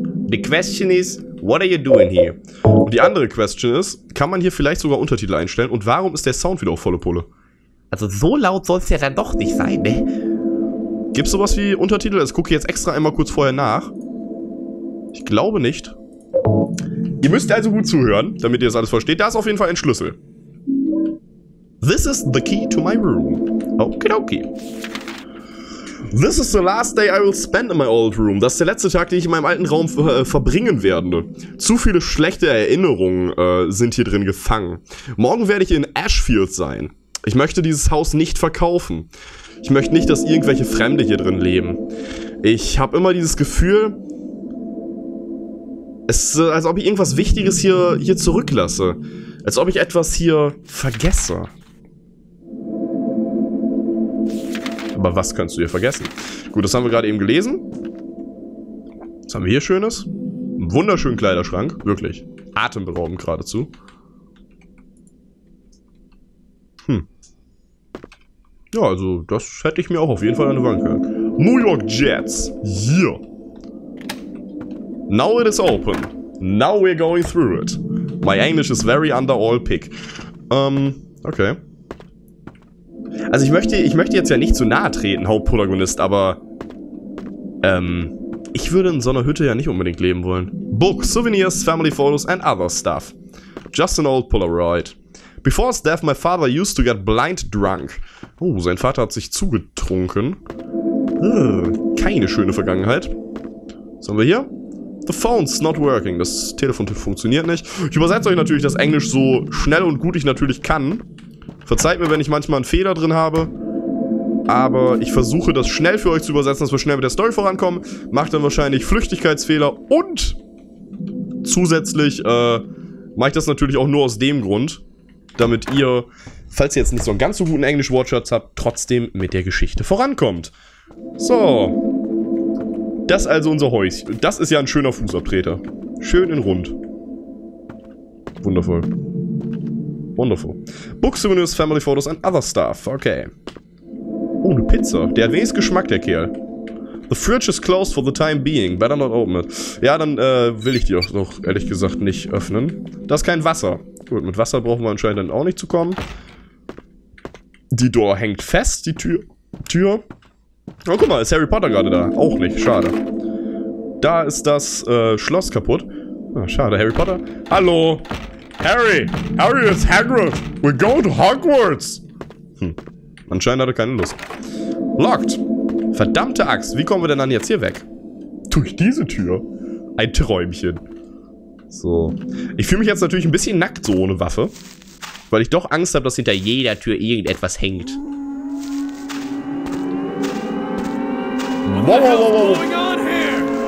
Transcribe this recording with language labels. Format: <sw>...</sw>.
<en>The question is, what are you doing here?</en> <de>Und die andere Question ist, kann man hier vielleicht sogar Untertitel einstellen? Und warum ist der Sound wieder auf volle Pulle? Also so laut soll es ja dann doch nicht sein, ne? Gibt's sowas wie Untertitel? Das gucke ich jetzt extra einmal kurz vorher nach. Ich glaube nicht. Ihr müsst also gut zuhören, damit ihr das alles versteht. Da ist auf jeden Fall ein Schlüssel.</de> <en>This is the key to my room. Okidoki. This is the last day I will spend in my old room.</en> <de>Das ist der letzte Tag, den ich in meinem alten Raum verbringen werde. Zu viele schlechte Erinnerungen sind hier drin gefangen. Morgen werde ich in Ashfield sein. Ich möchte dieses Haus nicht verkaufen. Ich möchte nicht, dass irgendwelche Fremde hier drin leben. Ich habe immer dieses Gefühl, es ist, als ob ich irgendwas Wichtiges hier zurücklasse. Als ob ich etwas hier vergesse. Aber was kannst du hier vergessen? Gut, das haben wir gerade eben gelesen. Was haben wir hier Schönes? Ein wunderschönen Kleiderschrank. Wirklich. Atemberaubend geradezu. Ja, also das hätte ich mir auch auf jeden Fall an die Wand hören.</de> <en>New York Jets. Yeah. Now it is open. Now we're going through it. My English is very under all pick. Okay.</en> <de>Also ich möchte jetzt ja nicht zu nahe treten, Hauptprotagonist, aber ich würde in so einer Hütte ja nicht unbedingt leben wollen.</de> <en>Books, souvenirs, family photos and other stuff. Just an old Polaroid. Before his death, my father used to get blind drunk.</en> <de>Oh, sein Vater hat sich zugetrunken. Keine schöne Vergangenheit. Was haben wir hier?</de> <en>The phone's not working.</en> <de>Das Telefon funktioniert nicht. Ich übersetze euch natürlich das Englisch so schnell und gut ich natürlich kann. Verzeiht mir, wenn ich manchmal einen Fehler drin habe. Aber ich versuche das schnell für euch zu übersetzen, dass wir schnell mit der Story vorankommen. Macht dann wahrscheinlich Flüchtigkeitsfehler und zusätzlich mache ich das natürlich auch nur aus dem Grund, damit ihr, falls ihr jetzt nicht so einen ganz so guten Englisch-Wortschatz habt, trotzdem mit der Geschichte vorankommt. So. Das ist also unser Häuschen. Das ist ja ein schöner Fußabtreter. Schön in rund. Wundervoll. Wundervoll.</de> <en>Books, souvenirs, family photos and other stuff.</en> <de>Okay. Oh, eine Pizza. Der hat wenig Geschmack, der Kerl.</de> <en>The fridge is closed for the time being. Better not open it.</en> <de>Ja, dann will ich die auch noch, ehrlich gesagt, nicht öffnen. Da ist kein Wasser. Gut, mit Wasser brauchen wir anscheinend dann auch nicht zu kommen. Die Door hängt fest, die Tür. Oh, guck mal, ist Harry Potter gerade da? Auch nicht, schade. Da ist das Schloss kaputt. Oh, schade, Harry Potter. Hallo! Harry!</de> <en>Harry, it's Hagrid! We're going to Hogwarts!</en> <de>Anscheinend hat er keine Lust. Locked! Verdammte Axt, wie kommen wir denn dann jetzt hier weg? Durch diese Tür? Ein Träumchen. So. Ich fühle mich jetzt natürlich ein bisschen nackt, so ohne Waffe. Weil ich doch Angst habe, dass hinter jeder Tür irgendetwas hängt.</de> <en>What the hell's going on here?</en>